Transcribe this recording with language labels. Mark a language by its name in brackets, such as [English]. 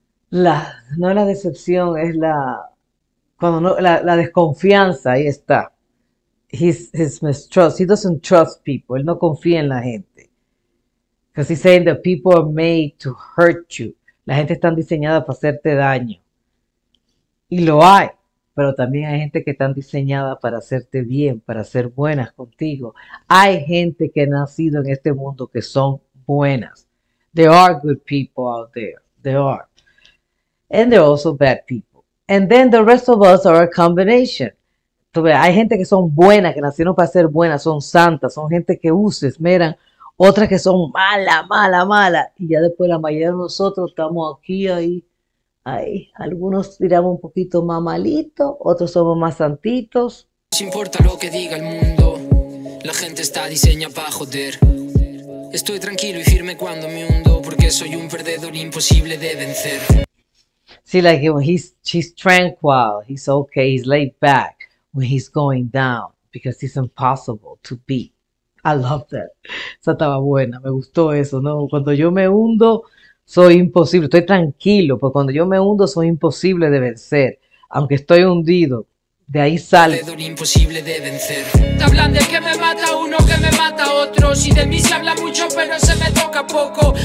[Spanish] No la decepción, es la, cuando no, la desconfianza, ahí está. [English] His mistrust, he doesn't trust people, [Spanish] él no confía en la gente. [English] Because he's saying that people are made to hurt you. [Spanish] La gente está diseñada para hacerte daño. Y lo hay. Pero también hay gente que está diseñada para hacerte bien, para ser buenas contigo. Hay gente que ha nacido en este mundo que son buenas. [English] There are good people out there. There are. And there are also bad people. And then the rest of us are a combination. [Spanish] Entonces, hay gente que son buenas, que nacieron para ser buenas, son santas, son gente que usa, esmeran. Otras que son malas, malas, malas. Y ya después la mayoría de nosotros estamos aquí, ahí. Ay, algunos tiramos un poquito más malito, otros somos más santitos. No importa lo que diga el mundo, la gente está diseñada para joder. Estoy tranquilo y firme cuando me hundo, porque soy un perdedor imposible de vencer. [English] See, like he's tranquil, he's okay, he's laid back when he's going down because it's impossible to be. I love that. [Spanish] Esa estaba buena, me gustó eso, ¿no? Cuando yo me hundo. Soy imposible, estoy tranquilo, porque cuando yo me hundo soy imposible de vencer, aunque estoy hundido, de ahí salgo. Perdedor imposible de vencer. Te hablan de que me mata uno, que me mata otro. Si de mí se habla mucho, pero se me toca poco.